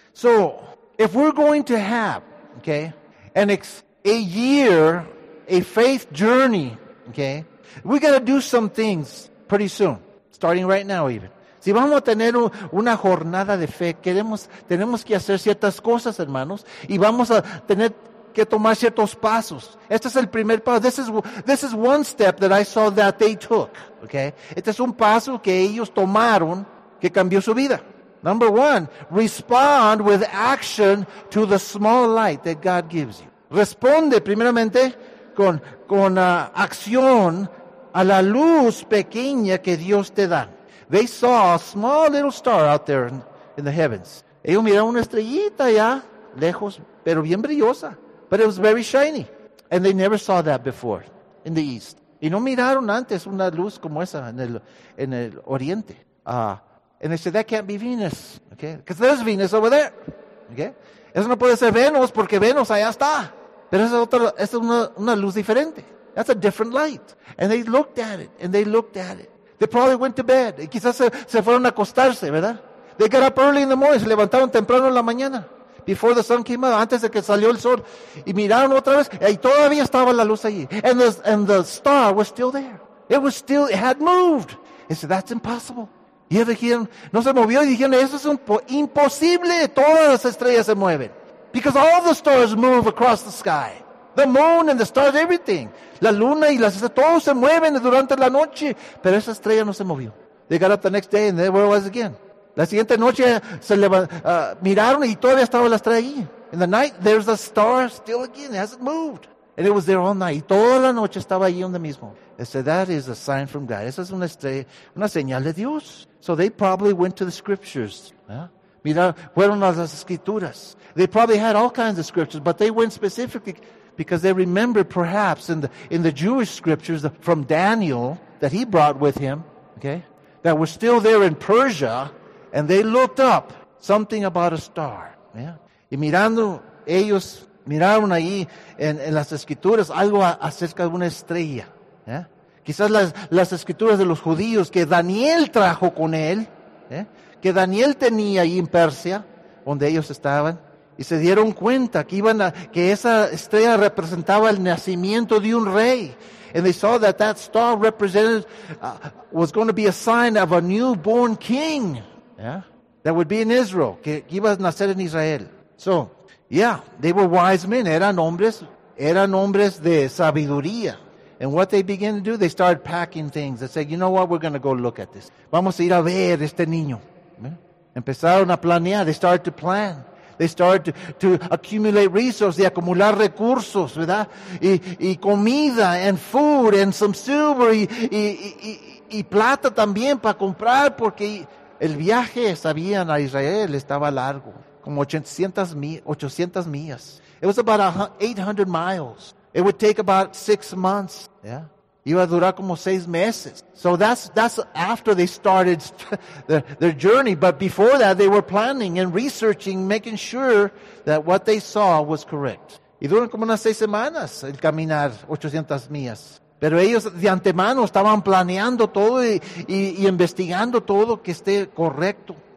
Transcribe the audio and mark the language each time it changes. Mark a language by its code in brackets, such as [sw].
[en] So if we're going to have, okay, a year, a faith journey, okay, we got to do some things pretty soon, starting right now even. [es] Si vamos a tener una jornada de fe, tenemos que hacer ciertas cosas, hermanos, y vamos a tener que tomar ciertos pasos. Este es el primer paso. [en] This is one step that I saw that they took, okay? [es] Este es un paso que ellos tomaron que cambió su vida. [en] Number one, respond with action to the small light that God gives you. [es] Responde primeramente con acción a la luz pequeña que Dios te da. [en] They saw a small little star out there in the heavens. [es] Ellos miraron una estrellita allá, lejos, pero bien brillosa. [en] But it was very shiny. And they never saw that before in the east. [es] Y no miraron antes una luz como esa en el oriente. [en] And they said, that can't be Venus. Okay? Because there's Venus over there. Okay? [es] Eso no puede ser Venus porque Venus allá está. Pero esa es una luz diferente. [en] That's a different light. And they looked at it. They probably went to bed. [es] Y quizás se fueron a acostarse, ¿verdad? [en] They got up early in the morning. [es] Se levantaron temprano en la mañana. [en] Before the sun came out, [es] antes de que salió el sol. Y miraron otra vez. Y todavía estaba la luz allí. [en] And the star was still there. It had moved. They said, that's impossible. [es] Y ellos dijeron, no se movió. Y dijeron, eso es imposible. Todas las estrellas se mueven. [en] Because all the stars move across the sky. The moon and the stars, everything. [es] La luna y las estrellas, todos se mueven durante la noche. Pero esa estrella no se movió. [en] They got up the next day and there it was again. [es] La siguiente noche se miraron y todavía estaba la estrella ahí. [en] In the night, there's the star still again. It hasn't moved. And it was there all night. [es] Y toda la noche estaba ahí donde mismo. [en] They said, that is a sign from God. [es] Esa es una estrella, una señal de Dios. [en] So they probably went to the scriptures. Yeah? [es] Fueron a las escrituras. [en] They probably had all kinds of scriptures, but they went specifically because they remembered perhaps in the Jewish scriptures from Daniel that he brought with him, okay, that were still there in Persia, and they looked up something about a star. Yeah? [es] Y mirando, ellos miraron ahí en las escrituras algo acerca de una estrella. Yeah? Quizás las escrituras de los judíos que Daniel trajo con él, ¿eh? Que Daniel tenía ahí en Persia, donde ellos estaban, y se dieron cuenta que esa estrella representaba el nacimiento de un rey. [en] And they saw that star represented was going to be a sign of a newborn king, yeah, that would be in Israel, [es] que iba a nacer en Israel. [en] So, yeah, they were wise men, [es] eran hombres de sabiduría. [en] And what they began to do, they started packing things. They said, you know what, we're going to go look at this. [es] Vamos a ir a ver este niño. Empezaron a planear. [en] They started to plan. They started to accumulate resources, [es] de acumular recursos, ¿verdad? Y comida, [en] and food, and some silver, [es] y plata también para comprar, porque el viaje, sabían, a Israel estaba largo, como 800 millas. [en] It was about 800 miles. It would take about 6 months. Yeah, [es] iba a durar como 6 meses. [en] So that's after they started their journey. But before that, they were planning and researching, making sure that what they saw was correct. [es] Y duran como unas 6 semanas el caminar 800 millas. Pero ellos de antemano estaban planeando todo y investigando todo que esté correcto.